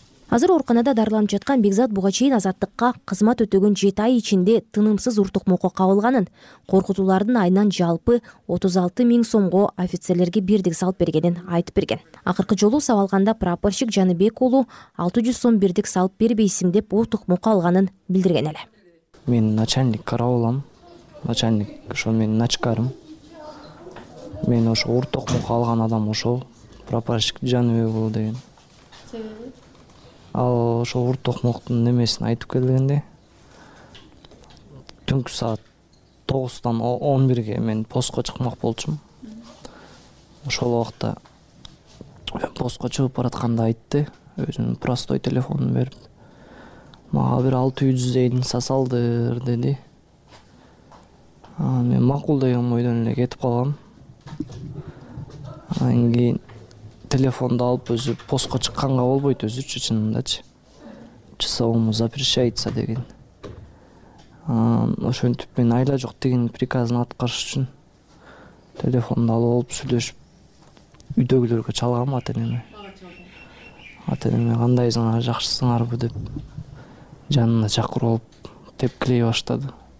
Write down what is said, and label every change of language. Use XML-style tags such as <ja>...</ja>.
<ky>Азыр ооруканада дарыланып жаткан Бекзат буга чейин Азаттыкка кызмат өтөгөн 7 ай ичинде тынымсыз уртук мокко кабылганын, коркутуулардын айынан жалпы 36,000 сомго офицерлерге бирдик салып бергенин айтып берген. Акыркы жолу сабалганда прапорщик Жаныбек уулу 600 сом бирдик салып бербейсиң деп уртук мокко алганын билдирген эле. Мен начальник караулам, начальник ошо менин начкарым. Мен ошо урток мокко алган адам ошол прапорщик Жаныбек уулу деген. Ал ошо урток моктун немесин айтып келгенде, түнкү саат 9:00-11:00 мен постко чыкмак болчум. Ошол убакта постко чыгып баратканда айтты, өзүнүн простой телефонун берип, мага бир 650 сасалдыр деди. Мен макул деген ойдон эле кетип калгам. Анан кийин телефонду алып өзү постко чыкканга болбойт өзүчү, чынындачы.</ky> <ru>Часовому запрещается деген.</ru> <ky>Ошентип мен айла жок деген приказын аткарыш үчүн телефонду алып алып сүйлөшүп үйдөгүлөргө чалгам ата энеме. Ата энеме кандайсыңар, жакшысыңарбы деп жанына чакыруу алып тепкилей баштады.</ky>